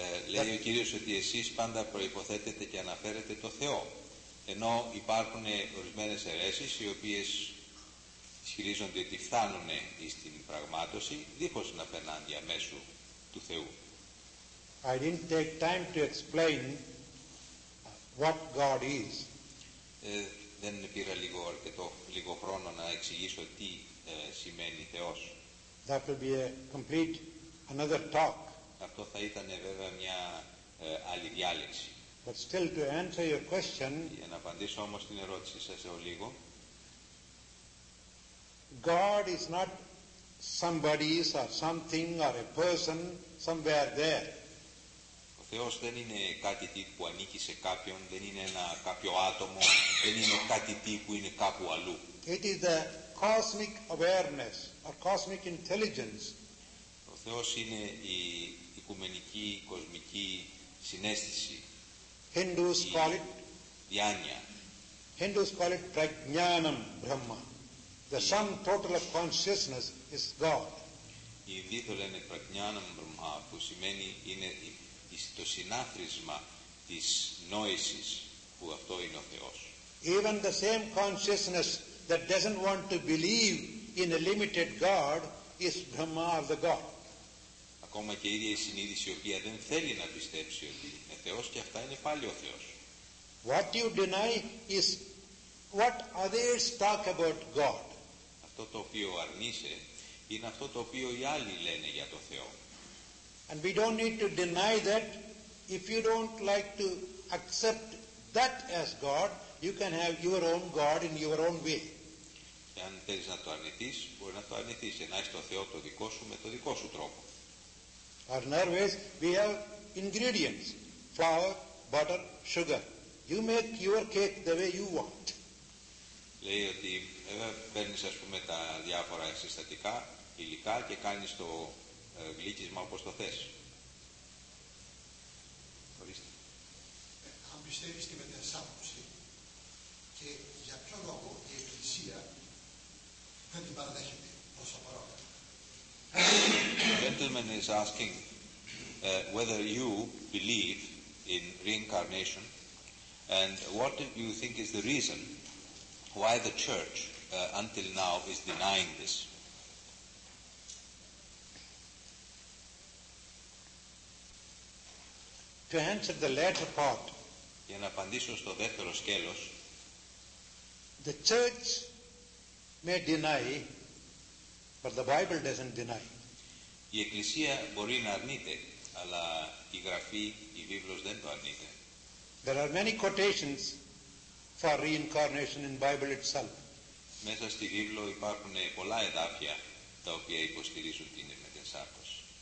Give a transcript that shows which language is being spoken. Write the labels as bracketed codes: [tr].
[el] Λέει ο Κύριος ότι εσείς πάντα προϋποθέτετε και αναφέρετε το Θεό, ενώ υπάρχουν ορισμένες αιρέσεις οι οποίες ισχυρίζονται ότι φτάνουν εις την πραγμάτωση δίχως να περνάνε διαμέσου του Θεού. [en] I didn't take time to explain what God is. [el] Δεν πήρα λίγο αρκετό λίγο χρόνο να εξηγήσω τι σημαίνει Θεός. [en] That will be a complete another talk. [el] Αυτό θα ήταν βέβαια μια άλλη διάλεξη. [en] But still to answer your question, [el] για να απαντήσω όμως την ερώτησή σας σε λίγο. [en] God is not somebody or something or a person somewhere there. [el] Ο Θεός δεν είναι κάτι τι που ανήκει σε κάποιον, δεν είναι ένα κάποιο άτομο, δεν είναι κάτι τι που είναι κάπου αλλού. [en] It is the cosmic awareness or cosmic intelligence. [el] Ο Θεός είναι η οικουμενική, κοσμική συνέστηση. [en] Hindus call it [el] διάνοια. [en] Hindus call it [sa] prajnanam brahma. [en] The sum total of consciousness is God. [el] Οι Ινδοί το λένε [sa] prajnanam brahma, [el] που σημαίνει είναι το συνάθροισμα της νόησης, που αυτό είναι ο Θεός. [en] Even the same consciousness that doesn't want to believe in a limited God is Brahma or the God. [el] Ακόμα και η ίδια η συνείδηση, η οποία δεν θέλει να πιστέψει ότι είναι Θεός, και αυτά είναι πάλι ο Θεός. [en] What you deny is what others talk about God. [el] Αυτό το οποίο αρνείσαι είναι αυτό το οποίο οι άλλοι λένε για το Θεό. [en] And we don't need to deny that. If you don't like to accept that as God, you can have your own God in your own way. [el] Και αν θέλεις να το αρνηθείς, μπορεί να το αρνηθείς, να έχεις το Θεό το δικό σου με το δικό σου τρόπο. [en] Or in other ways, we have ingredients, flour, butter, sugar. You make your cake the way you want. [el] Λέει ότι παίρνεις, ας πούμε, τα διάφορα συστατικά, υλικά και κάνεις το γλύκισμα όπως το θες. Ορίστε. Αν πιστεύεις τη μετεσάμωση και για ποιο λόγο η Εκκλησία δεν την παραδέχεται ως απαρόντα. [en] Gentleman is asking whether you believe in reincarnation and what do you think is the reason why the church until now is denying this. To answer the latter part, [el] για να απαντήσω στο δεύτερο σκέλος, [en] the church may deny, but the Bible doesn't deny. [el] Η Εκκλησία μπορεί να αρνείται, αλλά η Γραφή, η Βίβλος δεν το αρνείται. [en] There are many quotations for reincarnation in Bible itself. [el] Μέσα στη Βίβλο υπάρχουν πολλά εδάφια τα οποία υποστηρίζουν την μετεσάρκωση.